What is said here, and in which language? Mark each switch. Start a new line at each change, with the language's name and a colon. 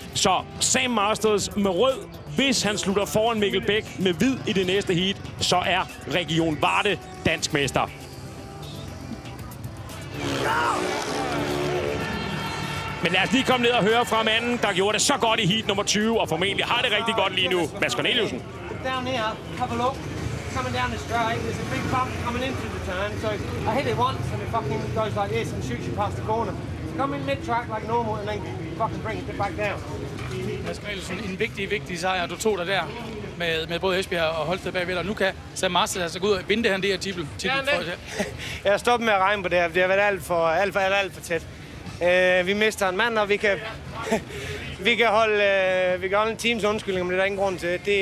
Danish: Så Sam Marsteds med rød, hvis han slutter foran Mikkel Bæk med hvid i det næste heat, så er Region Varde dansk mester. Ja! Men lad os lige komme ned og høre fra manden, der gjorde det så godt i heat nummer 20, og formentlig har det rigtig godt lige nu, Mads Corneliusen.
English: Down here, have a look. Coming down the straight, there's a big bump coming into the turn. So I hit it once and it fucking goes like this and shoots you past the corner. Come in mid-track like normal and then fucking bring it back down.
Danish: Mads Corneliusen, en vigtig, vigtig sejr, du tog dig der med både Esbjerg og Holsted bagved, og nu kan Sam Marsteds altså gå ud og vinde han det her titel. Jeg har stoppet med at regne på det her, det har været alt for tæt. Vi mister en mand, og vi kan holde en teams undskyldning, men det er ingen grund til.